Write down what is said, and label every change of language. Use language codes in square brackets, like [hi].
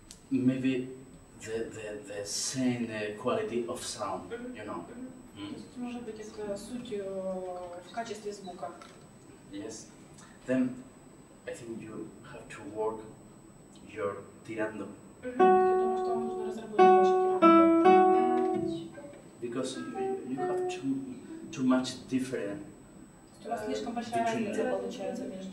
[en] Maybe the same quality of sound, you know. [ru] Может быть, это суть в качестве звука. [en] Yes. Then I think you have to work your tirando. [ru] Потому что вам нужно разработать ваше тирандо. [en] Because you have too much different. [ru] У вас слишком большая разница получается между